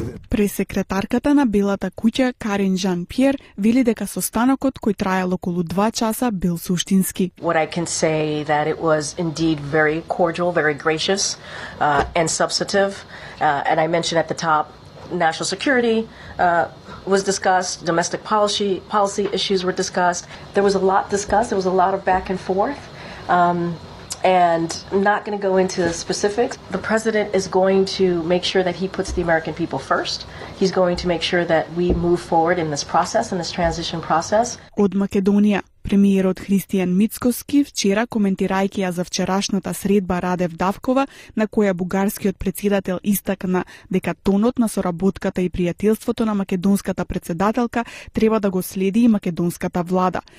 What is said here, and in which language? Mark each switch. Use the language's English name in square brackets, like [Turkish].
[Macedonian] Пресекретарката на Белата куќа Карин Жан-Пиер вели дека состанокот кој траел околу 2 часа бил суштински. [English] What I can say that it was indeed very cordial, very gracious and substantive. And I mentioned at the top national security was discussed, domestic policy issues were discussed. There was a lot discussed, there was a lot of back and forth. And I'm not going to go into the specifics. The president is going to make sure that he puts the American people first. He's going to make sure that we move forward in this process, in this transition process. [Macedonian] Од Македонија, премиерот Христијан Мицкоски вчера коментирајќи ја за вчерашната средба Радев Давкова, на која бугарскиот председател истакна дека тонот на соработката и пријателството на македонската председателка треба да го следи и македонската влада.